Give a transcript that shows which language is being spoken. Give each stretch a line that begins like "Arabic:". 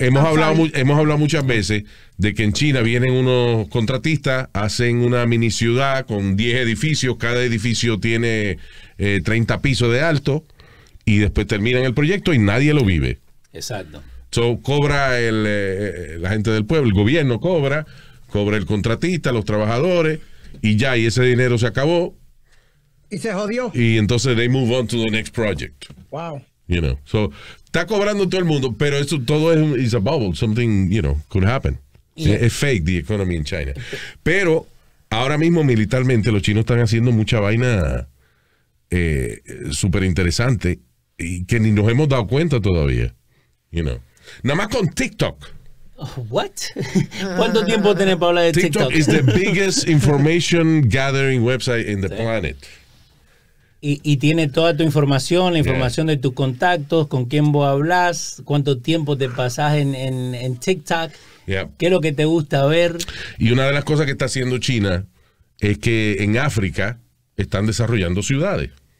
Spanish: Hemos hablado muchas veces de que en China vienen unos contratistas, hacen una mini ciudad con 10 edificios, cada edificio tiene 30 pisos de alto, y después terminan el proyecto y nadie lo vive. Exacto. So, cobra la gente del pueblo, el gobierno cobra el contratista, los trabajadores, y ya, y ese dinero se acabó. Y se jodió. Y entonces
English: they move on to the next project. Wow. You know, so
Spanish: está cobrando todo el mundo, pero eso todo es
English: a bubble, something, you know, could happen. Yeah. Es fake the economy in China.
Spanish: Pero ahora mismo militarmente los chinos están haciendo mucha vaina súper interesante y que ni nos hemos dado cuenta todavía.
English: You know.
Spanish: Nada más con TikTok.
English: What?
Spanish: ¿Cuánto tiempo tenés para hablar de TikTok?
English: TikTok is the biggest information gathering website in the planet.
Spanish: Y tiene toda tu información, la información de tus contactos, con quién vos hablas, cuánto tiempo te pasás en TikTok, qué es lo que te gusta ver. Y una de las cosas que está haciendo China es que en África están desarrollando ciudades.